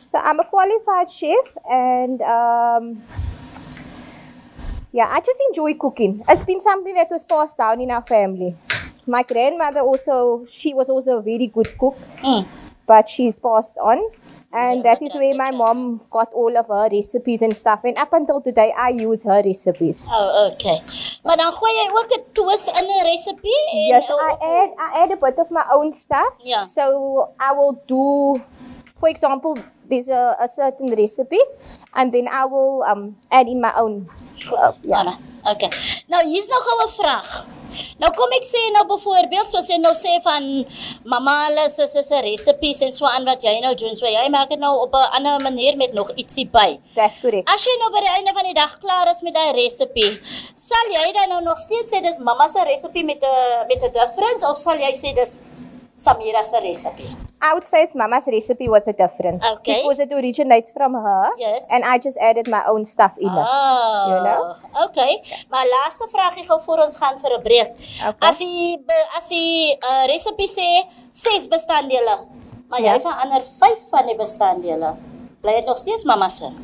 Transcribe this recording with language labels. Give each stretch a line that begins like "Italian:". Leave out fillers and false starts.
English: So I'm a qualified chef and I just enjoy cooking. It's been something that was passed down in our family. My grandmother also, she was also a very good cook, but she's passed on. And that is where my mom got all of her recipes and stuff. And up until today, I use her recipes. Oh, okay.
Afrikaans: Maar dan gooi jy ook 'n twist in 'n recipe?
English: Yes, I add a bit of my own stuff. Yeah. So I will do, for example, there's a certain recipe. And then I will add in my own. Okay.
Afrikaans: Nou, hier is nog al 'n vraag. Nou kom ek sê nou bijvoorbeeld, soos jy nou sê van mama, sy recipes en so aan wat jy nou doen, so jy maak het nou op 'n ander manier met nog ietsie by.
English: That's correct.
Afrikaans: As jy nou by die einde van die dag klaar is met die recipe, sal jy dan nou nog steeds sê, dis mama sy recipe met a difference, of sal jy sê, dis Samira sy recipe?
English: I would say it's mama's recipe with a difference. Okay. Because it originates from her. Yes. And I just added my own stuff in it. You know? Okay.
Afrikaans: My laaste vraag, ek gaan voor ons gaan vir 'n breek.
English: Okay.
Afrikaans: As die recipe sê 6 bestanddele, maar jy verander 5 van die bestanddele, bly het nog steeds mama's?